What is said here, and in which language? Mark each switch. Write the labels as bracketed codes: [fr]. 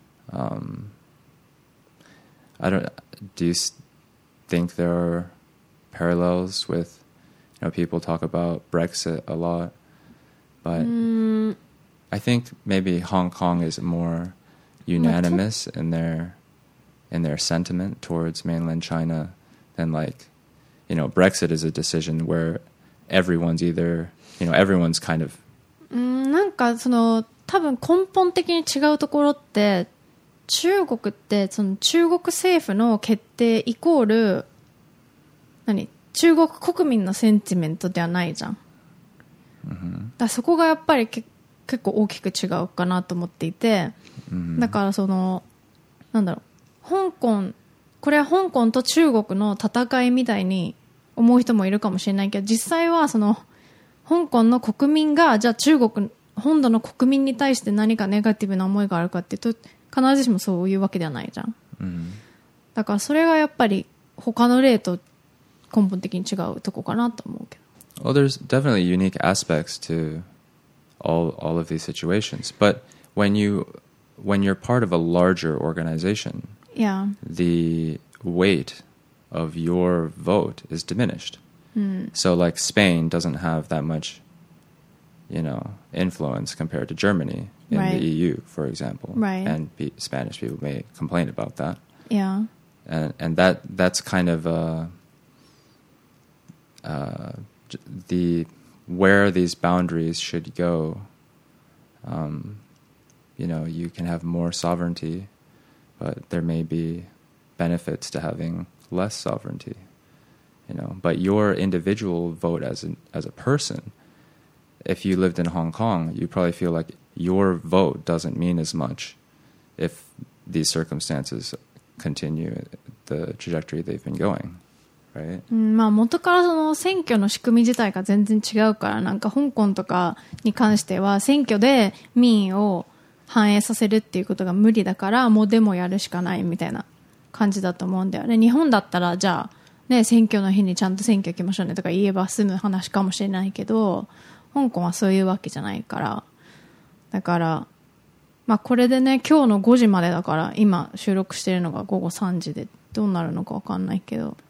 [en] Do you think there are parallels with, you know, people talk about Brexit a lot, but I think maybe Hong Kong is more unanimous in their sentiment towards mainland China than like,You know, Brexit is a decision where everyone's either, you know, everyone's kind of... [ja] なんかその多分根本的に違うところって、中国ってその中国政府の決定イコール何中国国民のセンチメントではないじゃん、 mm-hmm. だそこがやっぱり結構大きく違うかなと思っていて、だからそのなんだろう、香港、これは香港と中国の戦いみたいに思う人もいるかもしれないけど、実際はその香港の国民がじゃあ中国本土の国民に対して何かネガティブな思いがあるかっていうと、必ずしもそういうわけではないじゃん、うん、だからそれがやっぱり他の例と根本的に違うとこかなと思うけど。 [en] Well, there's definitely unique aspects to all of these situations. But when you're part of a larger organization, yeah, the weight of your vote is diminished. So like Spain doesn't have that much, you know, influence compared to Germany in the EU, for example. Right. And Spanish people may complain about that. Yeah. And that's kind of where these boundaries should go. You know, you can have more sovereignty, but there may be benefits to having less sovereignty. You know, but your individual vote as a person, if you lived in Hong Kong, you probably feel like your vote doesn't mean as much if these circumstances continue the trajectory they've been going, right? [ja] まあ元からその選挙の仕組み自体が全然違うから、なんか香港とかに関しては選挙で民意を反映させるっていうことが無理だから、もうデモやるしかないみたいな感じだと思うんだよね。日本だったらじゃあね、選挙の日にちゃんと選挙行きましょうねとか言えば済む話かもしれないけど、香港はそういうわけじゃないから、だからまあこれでね、今日の5時までだから、今収録しているのが午後3時でどうなるのか分かんないけど、